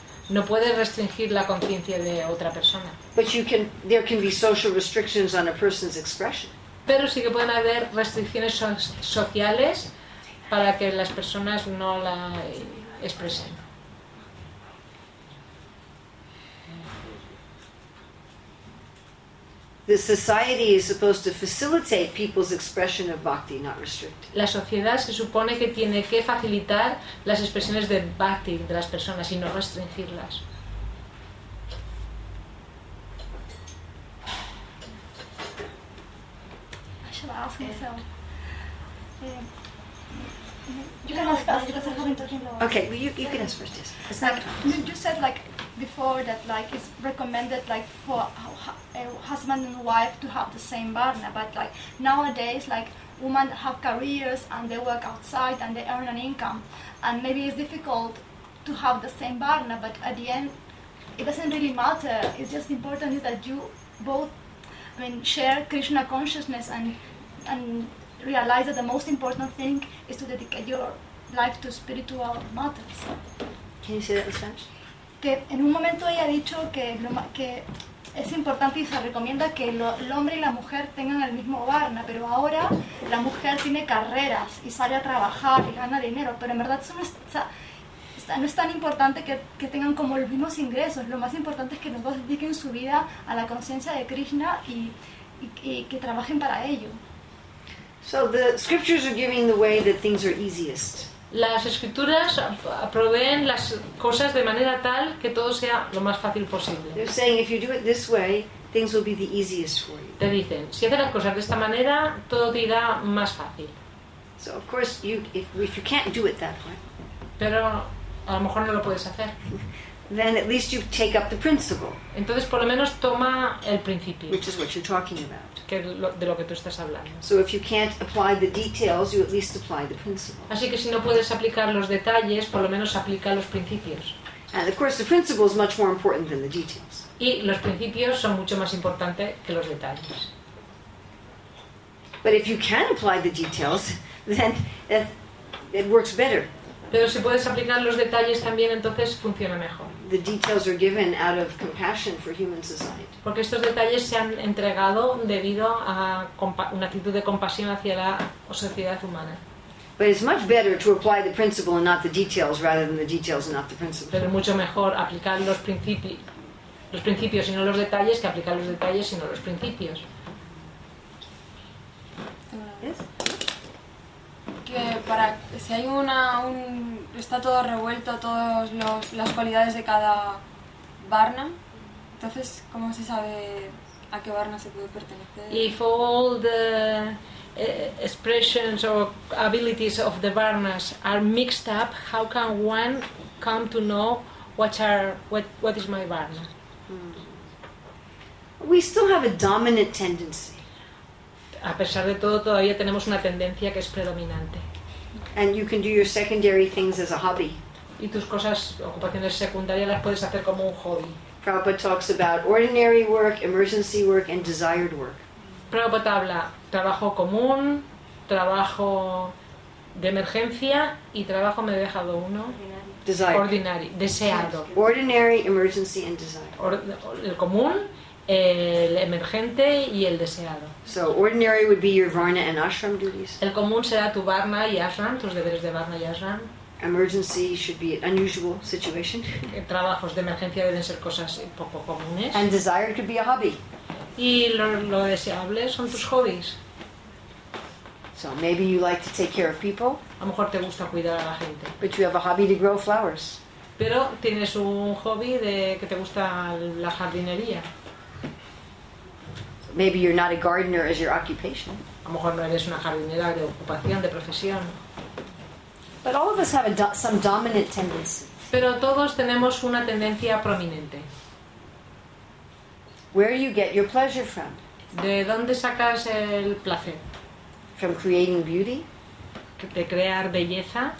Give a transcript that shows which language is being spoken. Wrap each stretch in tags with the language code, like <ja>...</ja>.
<es>No puedes restringir la conciencia de otra persona.</es> <en>But you can. There can be social restrictions on a person's expression.</en> <es>Pero sí que pueden haber restricciones sociales para que las personas no la expresen.</es> <en>The society is supposed to facilitate people's expression of bhakti, not restrict.</en> <es>La sociedad se supone que tiene que facilitar las expresiones de bhakti de las personas y no restringirlas.</es> <en>I should ask myself. You can ask first because I haven't talked in a while. Okay, you can ask first. Yes. It's not like, you said like before that like it's recommended like for a husband and wife to have the same varna, but like nowadays like women have careers and they work outside and they earn an income, and maybe it's difficult to have the same varna, but at the end it doesn't really matter. It's just important is that you both, I mean, share Krishna consciousness and realize that the most important thing is to dedicate your life to spiritual matters. Can you say that in Spanish?</en> <es>Que en un momento ella ha dicho que es importante y se recomienda que el hombre y la mujer tengan el mismo varna, pero ahora la mujer tiene carreras y sale a trabajar y gana dinero, pero en verdad eso no es tan importante que tengan como los mismos ingresos. Lo más importante es que los dos dediquen su vida a la conciencia de Krishna y que trabajen para ello.</es> <en>So the scriptures are giving the way that things are easiest.</en> <es>Las escrituras proveen las cosas de manera tal que todo sea lo más fácil posible.</es> <en>They're saying if you do it this way, things will be the easiest for you.</en> <es>Te dicen, si haces las cosas de esta manera, todo te irá más fácil.</es> <en>So of course you if you can't do it that way.</en> <es>Pero a lo mejor no lo puedes hacer.</es> <en>Then at least you take up the principle.</en> <es>Entonces por lo menos toma el principio.</es> <en>Which is what you're talking about.</en> <es>Que de lo que tú estás hablando.</es> <en>So if you can't apply the details, you at least apply the principle.</en> <es>Así que si no puedes aplicar los detalles, por lo menos aplica los principios.</es> <en>And of course, the principle is much more important than the details.</en> <es>Y los principios son mucho más importantes que los detalles.</es> <en>But if you can apply the details, then it works better.</en> <es>Pero si puedes aplicar los detalles también, entonces funciona mejor.</es> <en>The details are given out of compassion for human society.</en> <es>Porque estos detalles se han entregado debido a una actitud de compasión hacia la sociedad humana.</es> <en>But it's much better to apply the principle and not the details, rather than the details and not the principle.</en> <es>Pero es mucho mejor aplicar los principios y no los detalles que aplicar los detalles y no los principios.</es> <en>Yes?</en> <es>Que para si hay está todo revuelto todos las cualidades de cada varna, entonces cómo se sabe a qué varna se puede pertenecer.</es> <en>If all the expressions or abilities of the varnas are mixed up, how can one come to know what is my varna? We still have a dominant tendency.</en> <es>A pesar de todo, todavía tenemos una tendencia que es predominante.</es> <en>And you can do your secondary things as a hobby.</en> <es>Y tus cosas, ocupaciones secundarias, las puedes hacer como un hobby.</es> <en>Prabhupada talks about ordinary work, emergency work, and desired work.</en> <es>Prabhupada habla trabajo común, trabajo de emergencia y trabajo, me he dejado uno.</es> <en>Desired.</en> <es>Ordinary, deseado.</es> <en>Ordinary, emergency, and desired.</en> <es>El común, el emergente y el deseado.</es> <en>So ordinary would be your varna and ashram duties.</en> <es>El común será tu varna y ashram, tus deberes de varna y ashram.</es> <en>Emergency should be an unusual situation.</en> <es>Trabajos de emergencia deben ser cosas poco comunes.</es> <en>And desired could be a hobby.</en> <es>Y lo deseable son tus hobbies.</es> <en>So maybe you like to take care of people.</en> <es>A lo mejor te gusta cuidar a la gente.</es> <en>But you have a hobby to grow flowers.</en> <es>Pero tienes un hobby de que te gusta la jardinería.</es> <en>Maybe you're not a gardener as your occupation.</en> <es>A lo mejor no eres una jardinera de ocupación, de profesión.</es> <en>But all of us have some dominant tendency.</en> <es>Pero todos tenemos una tendencia prominente.</es> <en>Where you get your pleasure from?</en> <es>¿De dónde sacas el placer?</es> <en>From creating beauty.</en> <es>De crear belleza.</es>